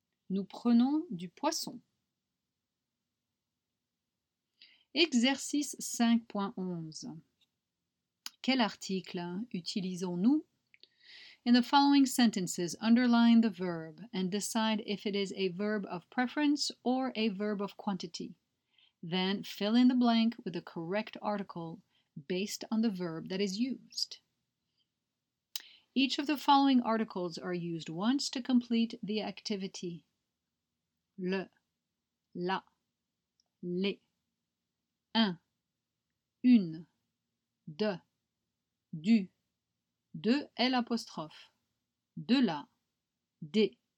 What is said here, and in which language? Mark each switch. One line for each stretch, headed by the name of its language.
French: Nous prenons du poisson. Exercice 5.11. Quel article utilisons-nous?
English: In the following sentences, underline the verb and decide if it is a verb of preference or a verb of quantity. Then fill in the blank with the correct article based on the verb that is used. Each of the following articles are used once to complete the activity.
French: Le, la, les, un, une, de, du, de et l'apostrophe, de la, des.